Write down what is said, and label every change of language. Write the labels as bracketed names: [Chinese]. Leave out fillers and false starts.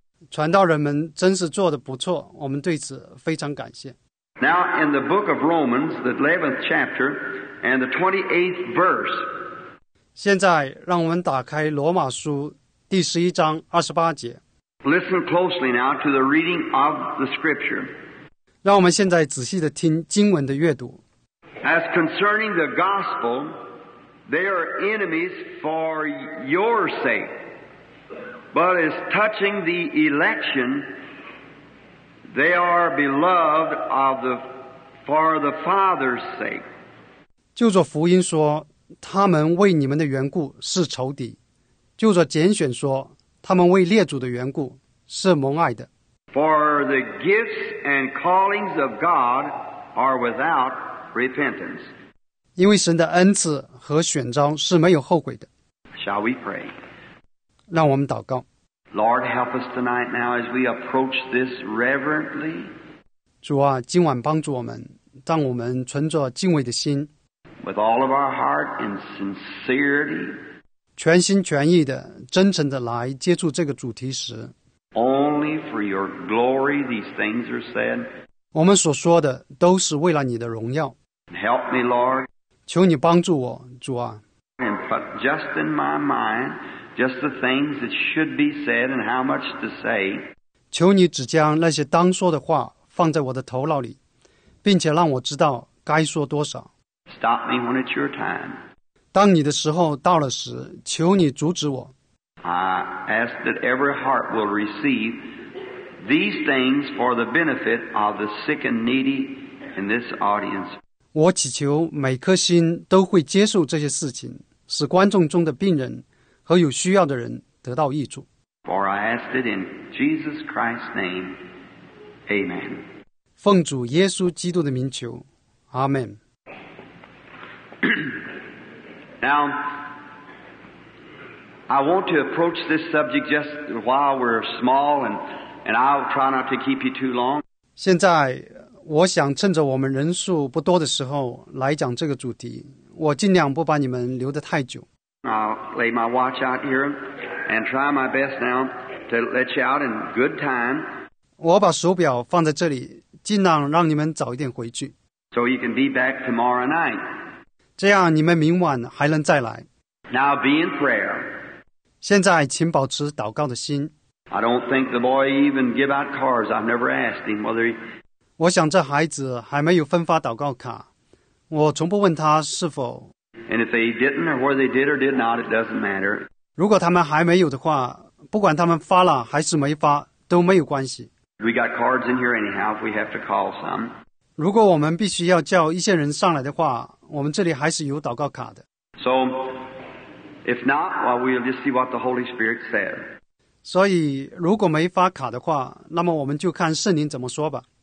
[Chinese] 传道人们真是做得不错，我们对此非常感谢。 [English] Now in the book of Romans, the 11th chapter and the 28th verse. [Chinese] 现在让我们打开罗马书第十一章二十八节。 [English] Listen closely now to the reading of the scripture. [Chinese] 让我们现在仔细地听经文的阅读。 [English] As concerning the gospel, they are enemies for your sake. But as touching the election, they are beloved of the, for the Father's sake. [Chinese] 就着福音说，他们为你们的缘故是仇敌；就着拣选说，他们为列祖的缘故是蒙爱的。 [English] For the gifts and callings of God are without repentance. [Chinese] 因为神的恩赐和选召是没有后悔的。 [English] Shall we pray? [Chinese] 让我们祷告。 [English] Lord, help us tonight now as we approach this reverently. [Chinese] 主啊，今晚帮助我们，让我们存着敬畏的心。 [English] With all of our heart and sincerity. [Chinese] 全心全意的，真诚的来接触这个主题时。 [English] Only for your glory these things are said. [Chinese] 我们所说的都是为了你的荣耀。 [English] Help me, Lord. [Chinese] 求你帮助我，主啊。 [English] And put just in my mind just the things that should be said and how much to say. [Chinese] 求你只将那些当说的话放在我的头脑里，并且让我知道该说多少。 [English] Stop me when it's your time. [Chinese] 当你的时候到了时，求你阻止我。 [English] I ask that every heart will receive these things for the benefit of the sick and needy in this audience. [Chinese] 我祈求每颗心都会接受这些事情，使观众中的病人和有需要的人得到益处。 [English] For I ask it in Jesus Christ's name. Amen. [Chinese] 奉主耶稣基督的名求，阿门。 [English] Now, I want to approach this subject just while we're small, and I'll try not to keep you too long. [Chinese] 现在我想趁着我们人数不多的时候来讲这个主题，我尽量不把你们留得太久。 [English] I'll lay my watch out here and try my best now to let you out in good time. [Chinese] 我把手表放在这里，尽量让你们早一点回去。 [English] So you can be back tomorrow night. [Chinese] 这样你们明晚还能再来。 [English] Now be in prayer. [Chinese] 现在请保持祷告的心。 [English] I don't think the boy even give out cards. I've never asked him whether he... [Chinese] 我想这孩子还没有分发祷告卡，我从不问他是否。 [English] And if they didn't, or whether they did or did not, it doesn't matter. [Chinese] 如果他们还没有的话，不管他们发了还是没发，都没有关系。 [English] We got cards in here anyhow if we have to call some. [Chinese] 如果我们必须要叫一些人上来的话，我们这里还是有祷告卡的。 [English] So, if not, well, we'll just see what the Holy Spirit said. [Chinese] 所以如果没发卡的话，那么我们就看圣灵怎么说吧。